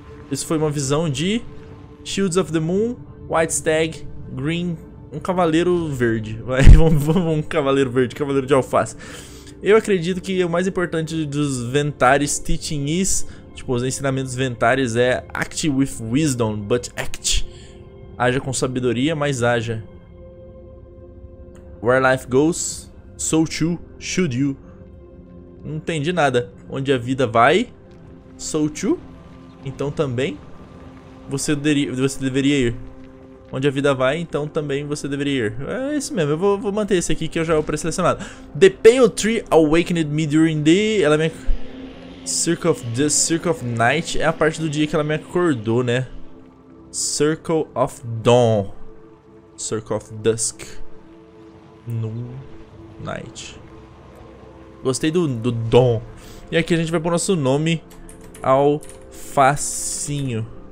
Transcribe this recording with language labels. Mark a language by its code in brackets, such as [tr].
[pt] Isso foi uma visão de Shields of the Moon, White Stag, Green... um cavaleiro verde. Vai, vamos, cavaleiro verde, cavaleiro de alface. Eu acredito que o mais importante dos Ventares [en] Teaching is, [pt] tipo, os ensinamentos Ventares é [en] Act with wisdom, but act. [pt] Haja com sabedoria, mas haja. [en] Where life goes, so too should you. [pt] Não entendi nada. Onde a vida vai, [en] so too. [pt] Então também você deveria ir. Onde a vida vai, então também você deveria ir. É isso mesmo, eu vou manter esse aqui que eu já vou pré-selecionado. [en] The Pale Tree awakened me during the... [pt] ela me... Circle of Night é a parte do dia que ela me acordou, né? [en] Circle of Dawn. Circle of Dusk. Noon. Night. [pt] Gostei do Dawn. E aqui a gente vai pôr nosso nome ao facinho.